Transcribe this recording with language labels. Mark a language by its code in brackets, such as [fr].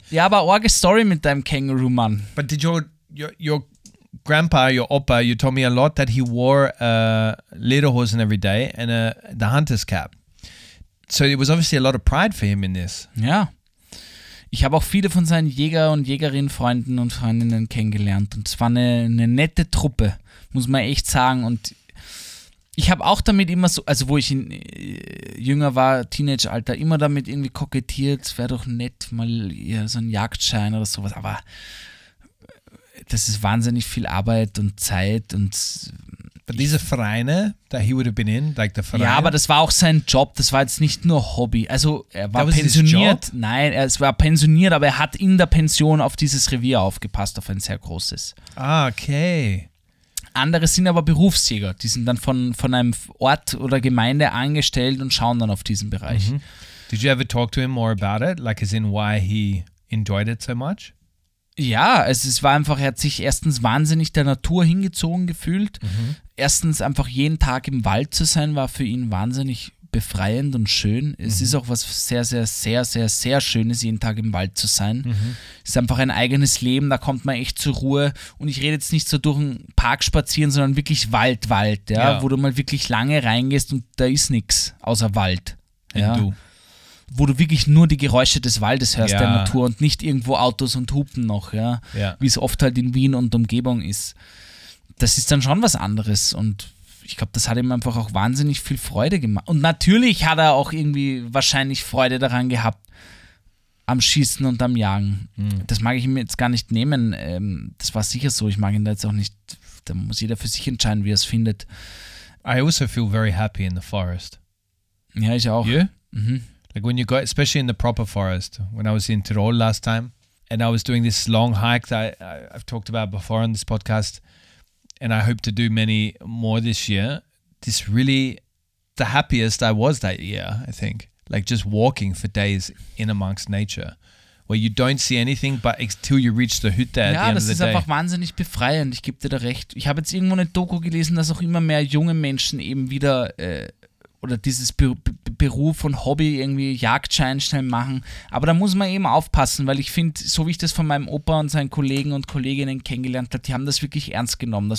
[de] Ja, aber orge Story mit deinem Kangaroo, Mann. [en] But did your grandpa, your opa, you told me a lot that he wore a lederhosen every day and the hunter's cap. So it was obviously a lot of pride for him in this. [de] Ja. Ich habe auch viele von seinen Jäger- und Jägerinnen-Freunden und Freundinnen kennengelernt. Und es war eine nette Truppe, muss man echt sagen. Und ich habe auch damit immer so, also wo ich in jünger war, Teenage-Alter, immer damit irgendwie kokettiert, wäre doch nett, mal ja, so ein Jagdschein oder sowas. Aber das ist wahnsinnig viel Arbeit und Zeit und. [en] But [de] diese Vereine, [en] that he would have been in, like the Vereine. [de] Ja, aber das war auch sein Job. Das war jetzt nicht nur Hobby. Also er war pensioniert. Nein, er war pensioniert, aber er hat in der Pension auf dieses Revier aufgepasst, auf ein sehr großes. Ah, okay. Andere sind aber Berufsjäger. Die sind dann von einem Ort oder Gemeinde angestellt und schauen dann auf diesen Bereich. Mm-hmm. [en] Did you ever talk to him more about it? Like as in why he enjoyed it so much? [de] Ja, also es war einfach, er hat sich erstens wahnsinnig der Natur hingezogen gefühlt. Mhm. Erstens einfach jeden Tag im Wald zu sein, war für ihn wahnsinnig befreiend und schön. Es ist auch was sehr, sehr, sehr, sehr, sehr Schönes, jeden Tag im Wald zu sein. Mhm. Es ist einfach ein eigenes Leben, da kommt man echt zur Ruhe. Und ich rede jetzt nicht so durch einen Park spazieren, sondern wirklich Wald, ja, ja, wo du mal wirklich lange reingehst und da ist nichts außer Wald. Ja. Und du. Wo du wirklich nur die Geräusche des Waldes hörst, ja, der Natur und nicht irgendwo Autos und Hupen noch, ja, ja, wie es oft halt in Wien und Umgebung ist. Das ist dann schon was anderes und ich glaube, das hat ihm einfach auch wahnsinnig viel Freude gemacht. Und natürlich hat er auch irgendwie wahrscheinlich Freude daran gehabt, am Schießen und am Jagen. Mhm. Das mag ich ihm jetzt gar nicht nehmen, das war sicher so, ich mag ihn da jetzt auch nicht, da muss jeder für sich entscheiden, wie er es findet. [en] I also feel very happy in the forest. [de] Ja, ich auch. [en] You? Mhm. Like when you go, especially in the proper forest, when I was in Tirol last time. and I was doing this long hike that I've talked about before on this podcast, and I hope to do many more this year. This really, the happiest I was that year, I think, like just walking for days in amongst nature, where you don't see anything but until you reach the Hütte at the end of the day. [de] Ja, das ist einfach wahnsinnig befreiend. Ich gebe dir da recht. Ich habe jetzt irgendwo eine Doku gelesen, dass auch immer mehr junge Menschen eben wieder oder dieses Beruf und Hobby irgendwie Jagdscheinstellen machen. Aber da muss man eben aufpassen, weil ich finde, so wie ich das von meinem Opa und seinen Kollegen und Kolleginnen kennengelernt habe, die haben das wirklich ernst genommen.